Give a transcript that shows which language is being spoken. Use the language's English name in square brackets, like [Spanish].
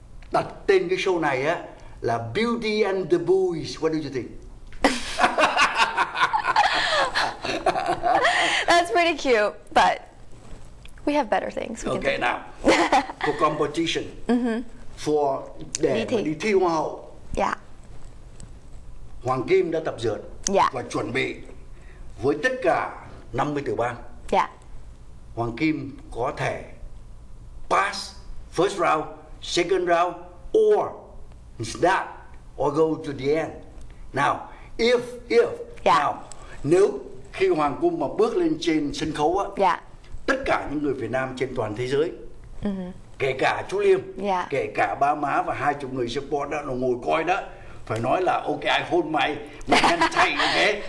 [Vietnamese] đặt tên cái show này á, là Beauty and the Boys, [English] what do you think? That's pretty cute, but we have better things. We okay, now for competition, for [Vietnamese] đi thi Hoa Hậu. [English] Yeah. [Vietnamese] Hoàng Kim đã tập dượt [English] yeah. [Vietnamese] và chuẩn bị với tất cả 50 tiểu bang. [English] Yeah. Hoàng Kim [Vietnamese] có thể [English] pass first round, second round, or it's that or go to the end. Now, if yeah. now, [Vietnamese] nếu khi Hoàng Cung mà bước lên trên sân khấu á, [English] yeah. [Vietnamese] tất cả những người Việt Nam trên toàn thế giới, kể cả chú Liêm, [English] yeah. [Vietnamese] kể cả ba má và 20 người support đó, nó ngồi coi đó, phải nói là ok, [English] I hold my hand tight, okay?